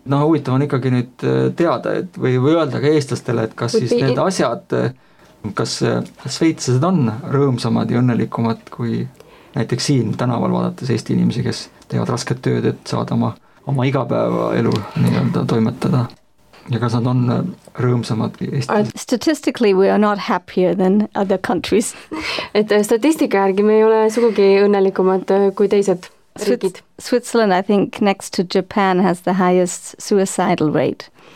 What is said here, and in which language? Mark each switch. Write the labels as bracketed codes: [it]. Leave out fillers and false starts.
[et] No huvitav on ikkagi nüüd teada, et või öelda ka eestlastele, et kas siis need asjad, kas sveitsased on rõõmsamad ja õnnelikumad kui näiteks siin tänaval vaadates Eesti inimesi, kes teevad rasket tööd, et saada oma igapäeva elu nii-öelda toimetada. Ja kas nad on rõõmsamad Eestis? [en] Statistically we are not happier than other countries. [et] Et statistika järgi me ei ole sugugi õnnelikumad kui teised riigid. [en] Switzerland, I think, next to Japan has the highest suicidal rate.